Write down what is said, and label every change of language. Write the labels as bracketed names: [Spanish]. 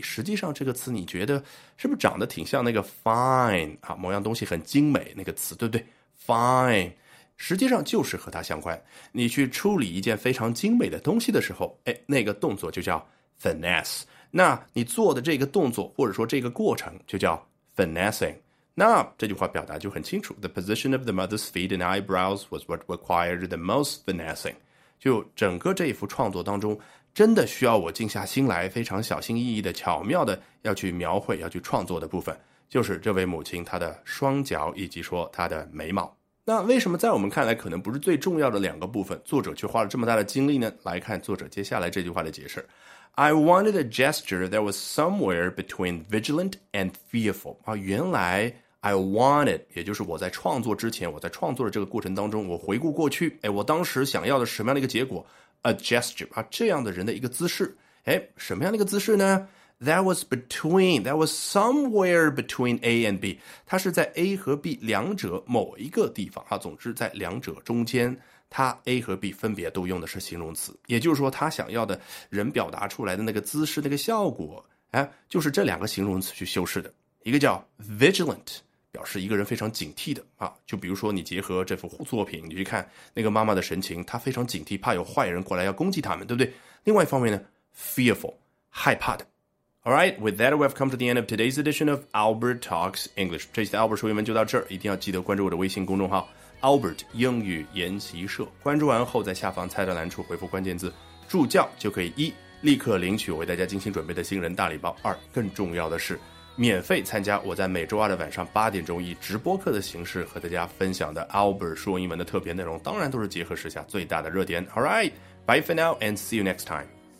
[Chinese] 实际上这个词你觉得是不是长得挺像那个 fine 啊，某样东西很精美那个词，对不对？fine 实际上就是和它相关。你去处理一件非常精美的东西的时候，哎，那个动作就叫 finesse。那你做的这个动作或者说这个过程就叫 finessing。那这句话表达就很清楚， [English] The position of the mother's feet and eyebrows was what required the most finessing。 [Chinese] 就整个这一幅创作当中，真的需要我静下心来，非常小心翼翼的、巧妙的要去描绘、要去创作的部分，就是这位母亲她的双脚以及说她的眉毛。那为什么在我们看来可能不是最重要的两个部分，作者却花了这么大的精力呢？来看作者接下来这句话的解释。 [English] I wanted a gesture that was somewhere between vigilant and fearful. [Chinese] 啊，原来 [English] I wanted, [Chinese] 也就是我在创作之前，我在创作的这个过程当中，我回顾过去，哎，我当时想要的什么样的一个结果 ？ [English] A gesture, [Chinese] 啊，这样的人的一个姿势，哎，什么样的一个姿势呢 ？ [English] That was between, that was somewhere between A and B. [Chinese] 它是在 A 和 B 两者某一个地方，啊，总之在两者中间。他 A 和 B 分别都用的是形容词，也就是说他想要的人表达出来的那个姿势那个效果，哎，就是这两个形容词去修饰的，一个叫 vigilant 表示一个人非常警惕的啊。就比如说你结合这幅作品你去看那个妈妈的神情，她非常警惕，怕有坏人过来要攻击他们，对不对？另外一方面呢 fearful 害怕的。 [English] Alright, with that we've come to the end of today's edition of Albert Talks English. [Chinese] 这期的 Albert 说英文就到这儿，一定要记得关注我的微信公众号Albert 英语研习社，关注完后在下方菜单栏处回复关键字助教，就可以一立刻领取我为大家精心准备的新人大礼包，二更重要的是免费参加我在每周二的晚上8点以直播课的形式和大家分享的 Albert 说英文的特别内容，当然都是结合时下最大的热点。 [English] Alright, bye for now and see you next time.